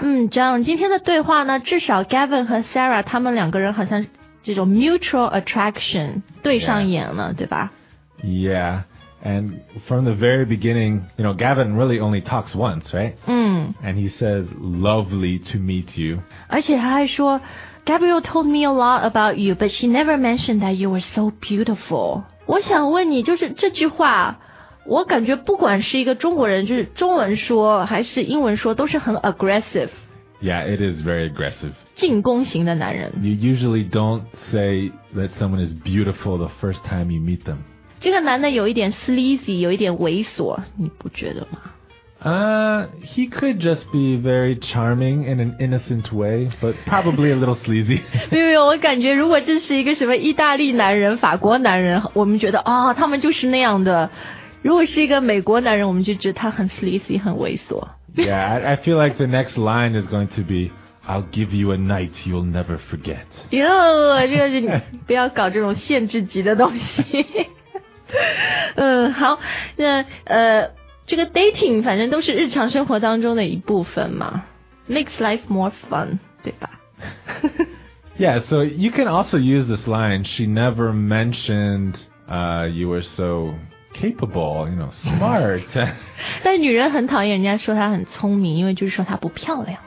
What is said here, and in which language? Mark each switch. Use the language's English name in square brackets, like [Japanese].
[Chinese] John, 今天的对话呢，至少 Gavin 和 Sarah 他们两个人好像这种 [English] mutual attraction [Chinese] 对上眼了， [English] yeah. [Chinese] 对吧？ [English] Yeah, and from the very beginning, you know, Gavin really only talks once, right? And he says, lovely to meet you. [Chinese] 而且他还说 [English] Gabriel told me a lot about you, but she never mentioned that you were so beautiful. [Chinese] 我想问你，就是这句话我感觉不管是一个中国人就是中文说还是英文说都是很 aggressive. [English] Yeah, it is very aggressive. [Chinese] 进攻型的男人。 [English] You usually don't say that someone is beautiful the first time you meet them. [Chinese] 这个男的有一点 sleazy, 有一点猥琐，你不觉得吗？ [English] He could just be very charming in an innocent way, but probably a little sleazy. [Chinese] 没有，我感觉如果这是一个什么意大利男人、法国男人，我们觉得哦，他们就是那样的。如果是一个美国男人，我们就觉得他很 sleazy, 很猥琐。 [English] Yeah, I feel like the next line is going to be, I'll give you a night you'll never forget. [Chinese] 哟，这个是不要搞这种限制级的东西。好，那这个 dating 反正都是日常生活当中的一部分嘛。 [English] Makes life more fun, [Chinese] 对吧？ [English] Yeah, so you can also use this line, she never mentioned, you were so... capable, you know, smart. [Chinese] 但女人很讨厌人家说她很聪明，因为就是说她不漂亮。